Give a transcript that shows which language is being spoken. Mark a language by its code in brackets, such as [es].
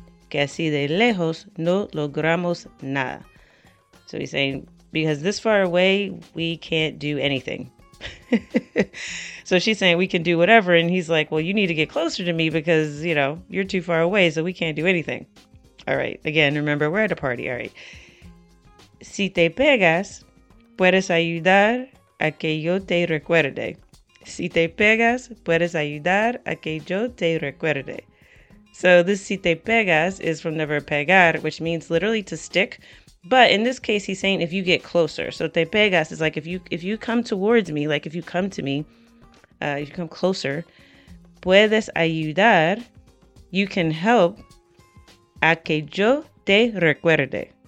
[es] Que así de lejos no logramos nada. [en] So he's saying, because this far away, we can't do anything. So she's saying we can do whatever, and he's like, well, you need to get closer to me because, you know, you're too far away, so we can't do anything. All right, again, remember, we're at a party. All right, [es] si te pegas puedes ayudar a que yo te recuerde. Si te pegas puedes ayudar a que yo te recuerde. [en] So this [es] si te pegas [en] is from the verb pegar, which means literally to stick. But in this case, he's saying if you get closer. So [es] te pegas [en] is like if you come towards me, like if you come to me, if you come closer, [es] puedes ayudar, [en] you can help, [es] a que yo te recuerde.